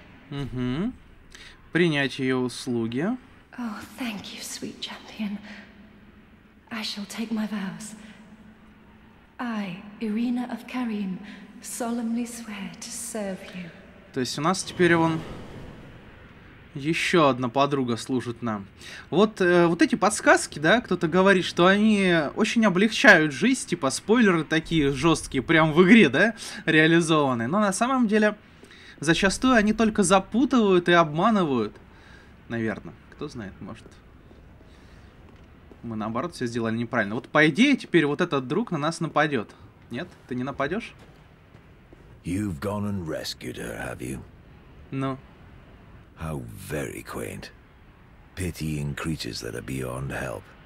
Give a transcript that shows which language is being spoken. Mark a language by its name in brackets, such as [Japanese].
[Russian] Угу. Принять ее услуги. [English] Oh, thank you, sweet champion. I shall take my vows. I, Irina of Karim, solemnly swear to serve you. [Russian] То есть у нас теперь вон... Еще одна подруга служит нам. Вот, вот эти подсказки, да, кто-то говорит, что они очень облегчают жизнь, типа спойлеры такие жесткие, прям в игре, да, реализованы. Но на самом деле, зачастую они только запутывают и обманывают. Наверное, кто знает, может. Мы наоборот все сделали неправильно. Вот по идее теперь вот этот друг на нас нападет. Нет, ты не нападешь? [English] You've gone and rescued her, have you? [Russian] Ну. [English] How very quaint. Pitying creatures that are beyond help.